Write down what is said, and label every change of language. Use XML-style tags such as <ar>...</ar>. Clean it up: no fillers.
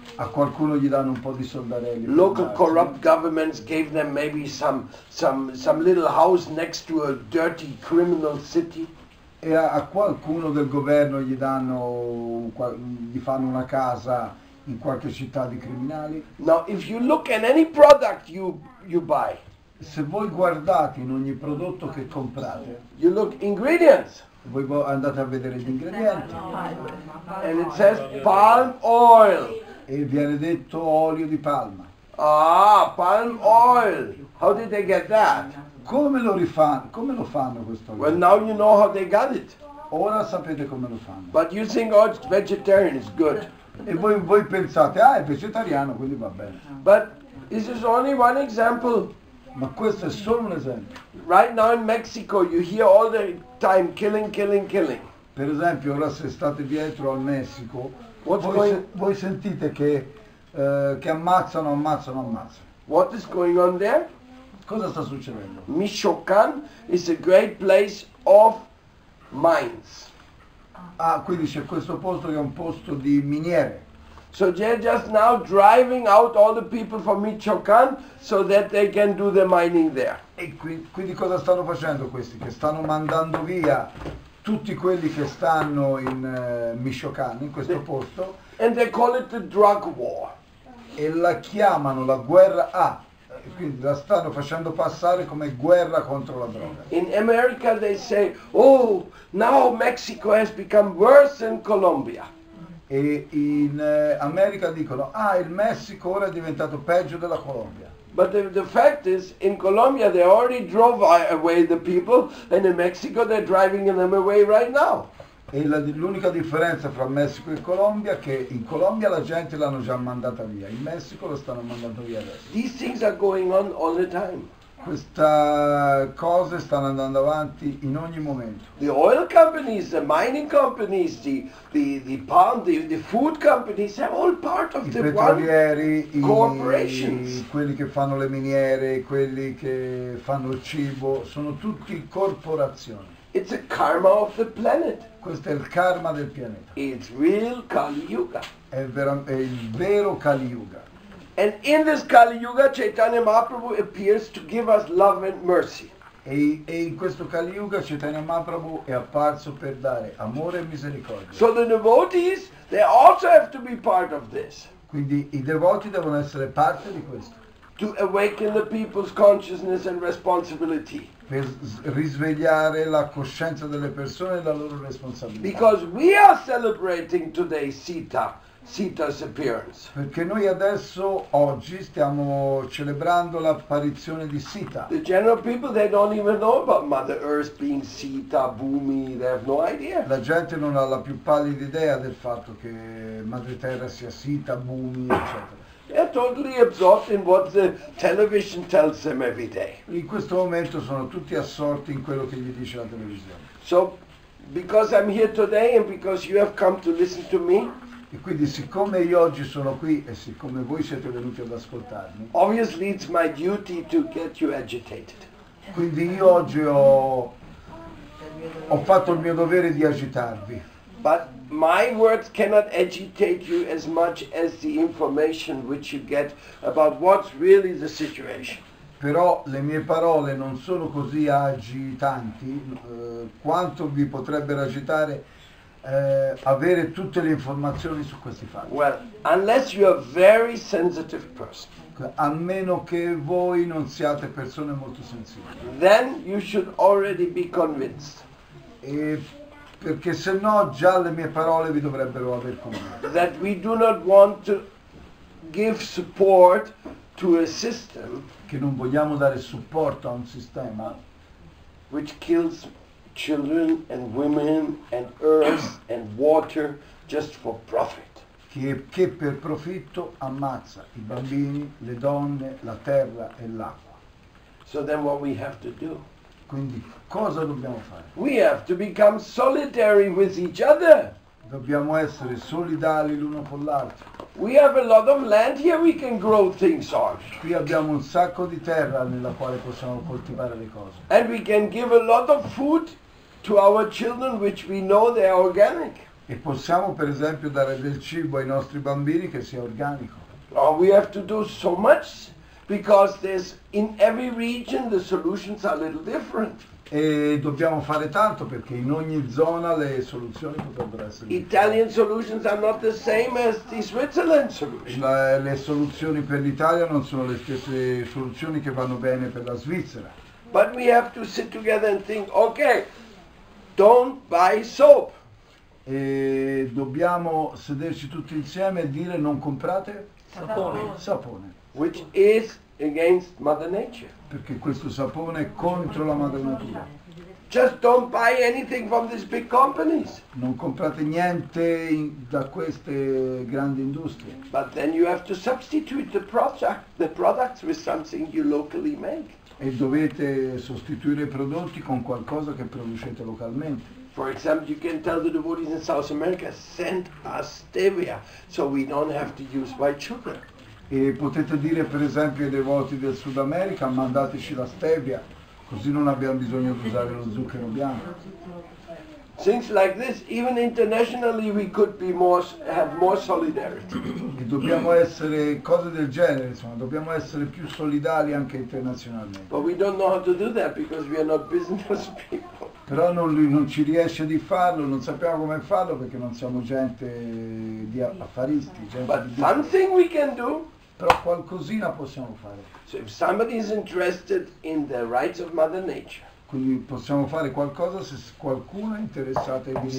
<it>A qualcuno gli danno un po' di soldarelli.</it> <en>Local corrupt governments gave them maybe some little house next to a dirty criminal city.</en> <it>E a qualcuno del governo gli fanno una casa in qualche città di criminali.</it> <en>Now, if you look at any product you buy,</en> <it>se voi guardate in ogni prodotto che comprate,</it> <en>you look ingredients,</en> <it>voi andate a vedere gli ingredienti,</it> <en>and it says palm oil,</en> <it>e viene detto olio di palma.</it> <en>Ah, palm oil, how did they get that?</en> <it>Come lo fanno questo?</it> <en>Well, now you know how they got it.</en> <it>Ora sapete come lo fanno.</it> <en>But you think, oh, it's vegetarian, it's good.</en> <it>E voi pensate, ah, è vegetariano, quindi va bene.</it> <en>But this is only one example.</en> <it>Ma questo è solo un esempio.</it> <en>Right now in Mexico you hear all the time killing, killing, killing.</en> <it>Per esempio, ora se state dietro al Messico, voi sentite che ammazzano, ammazzano, ammazzano.</it> <en>What is going on there?</en> <it>Cosa sta succedendo?</it> <en>Michoacán is a great place of mines.</en> <it>Ah, quindi c'è questo posto che è un posto di miniere.</it> <en>So they're just now driving out all the people from Michoacán so that they can do the mining there.</en> <it>E quindi cosa stanno facendo questi? Che stanno mandando via tutti quelli che stanno in Michoacán, in questo posto.</it> <en>And they call it the drug war.</en> <it>E la chiamano la guerra A. quindi la stanno facendo passare come guerra contro la droga.</it> <en>In America they say, oh, now Mexico has become worse than Colombia.</en> <it>E in America dicono, ah, il Messico ora è diventato peggio della Colombia.</it> <en>But the fact is, in Colombia they already drove away the people, and in Mexico they're driving them away right now.</en> <it>E l'unica differenza fra Messico e Colombia è che in Colombia la gente l'hanno già mandata via, in Messico lo stanno mandando via adesso.</it> <en>These things are going on all the time.</en> <it>Queste cose stanno andando avanti in ogni momento.</it> <en>The oil companies, the mining companies, the pump, the food companies are all part of the one corporations.</en> <it>Quelli che fanno le miniere, quelli che fanno il cibo, sono tutti corporazioni.</it> <en>It's a karma of the planet.</en> <it>Questo è il karma del pianeta.</it> <en>It's real Kali Yuga.</en> <it>È il vero Kali Yuga.</it> <en>And in this Kali Yuga, Chaitanya Mahaprabhu appears to give us love and mercy.</en> <it>E in questo Kali Yuga, Chaitanya Mahaprabhu è apparso per dare amore e misericordia.</it> <en>So the devotees, they also have to be part of this.</en> <it>Quindi i devoti devono essere parte di questo.</it> <en>To awaken the people's consciousness and responsibility.</en> <it>Per risvegliare la coscienza delle persone e la loro responsabilità.</it> <en>Because we are celebrating today Sita's appearance.</en> <it>Perché noi adesso, oggi, stiamo celebrando l'apparizione di Sita.</it> <en>The general people, they don't even know about Mother Earth being Sita, Bhumi, they have no idea.</en> <it>La gente non ha la più pallida idea del fatto che Madre Terra sia Sita, Bhumi, eccetera.</it> <en>They are totally absorbed in what the television tells them every day.</en> <it>In questo momento sono tutti assorti in quello che gli dice la televisione.</it> <en>So, because I'm here today and because you have come to listen to me.</en> <it>E quindi siccome io oggi sono qui e siccome voi siete venuti ad ascoltarmi.</it> <en>Obviously it's my duty to get you agitated.</en> <it>Quindi io oggi ho fatto il mio dovere di agitarvi.</it> <en>But my words cannot agitate you as much as the information which you get about what's really the situation.</en> <it>Però le mie parole non sono così agitanti quanto vi potrebbero agitare avere tutte le informazioni su questi fatti.</it> <en>Well, unless you are a very sensitive person.</en> <it>A meno che voi non siate persone molto sensibili.</it> <en>Then you should already be convinced.</en> <it>Perché se no già le mie parole vi dovrebbero aver convinto.</it> <en>That we do not want to give support to a system.</en> <it>Che non vogliamo dare supporto a un sistema.</it> <en>Which kills children and women and earth and water just for profit.</en> <it>Che per profitto ammazza i bambini, le donne, la terra e l'acqua.</it> <en>So then what we have to do?</en> <it>Quindi cosa dobbiamo fare?</it> <en>We have to become solidary with each other.</en> <it>Dobbiamo essere solidali l'uno con l'altro.</it> <en>We have a lot of land here we can grow things on.</en> <it>Qui abbiamo un sacco di terra nella quale possiamo coltivare le cose.</it> <en>And we can give a lot of food to our children which we know they are organic.</en> <it>E possiamo per esempio dare del cibo ai nostri bambini che sia organico.</it> <en>Oh, we have to do so much. Because there's in every region the solutions are a little different.</en> <it>E dobbiamo fare tanto perché in ogni zona le soluzioni potrebbero essere diverse.</it> <en>Italian solutions are not the same as the Switzerland solutions.</en> <it>Le soluzioni per l'Italia non sono le stesse soluzioni che vanno bene per la Svizzera.</it> <en>But we have to sit together and think, okay, don't buy soap.</en> <it>E dobbiamo sederci tutti insieme e dire non comprate sapone.</it> <en>Which is against Mother Nature.</en> <it>Perché questo sapone è contro la madre natura.</it> <en>Just don't buy anything from these big companies.</en> <it>Non comprate niente da queste grandi industrie.</it> <en>But then you have to substitute the products with something you locally make.</en> <it>E dovete sostituire i prodotti con qualcosa che producete localmente.</it> <en>For example, you can tell the devotees in South America, send us stevia so we don't have to use white sugar.</en> <it>E potete dire per esempio ai devoti del Sud America mandateci la stevia così non abbiamo bisogno di usare lo zucchero bianco.</it> <en>Things like this, even internationally we could be have more solidarity.</en> <it>E dobbiamo essere cose del genere, insomma, dobbiamo essere più solidali anche internazionalmente.</it> <en>But we don't know how to do that because we are not business people.</en> <it>Però non ci riesce di farlo, non sappiamo come farlo perché non siamo gente di affaristi.</it> <en>But something we can do.</en> <it>però qualcosina possiamo fare.</it> <en>So if somebody is interested in the rights of Mother Nature.</en> <it>Quindi possiamo fare qualcosa se qualcuno è interessato ai diritti.</it>